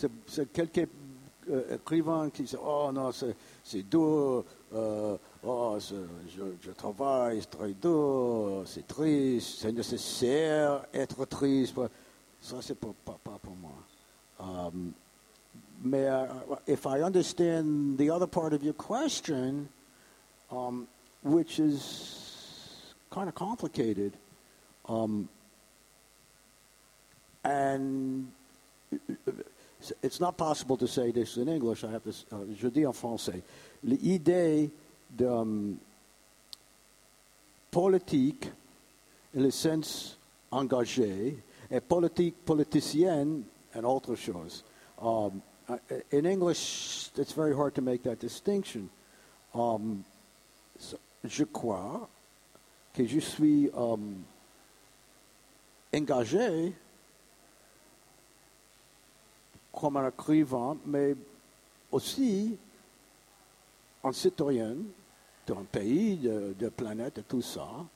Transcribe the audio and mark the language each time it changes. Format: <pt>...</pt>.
<fr>C'est quelqu'un écrivain qui dit, oh non, c'est dur, je travaille, c'est très dur, c'est triste, c'est nécessaire être triste. Ça, c'est pas pour moi.</fr> <en>If I understand the other part of your question, which is kind of complicated, and It's not possible to say this in English. I have to.</en> <fr>Je dis en français. L'idée de politique, le sens engagé, et politique politicienne, and autre chose.</fr> <en>In English, it's very hard to make that distinction.</en> <fr>Je crois que je suis engagé comme un écrivain, mais aussi un citoyen d'un pays, de planète, et tout ça.</fr>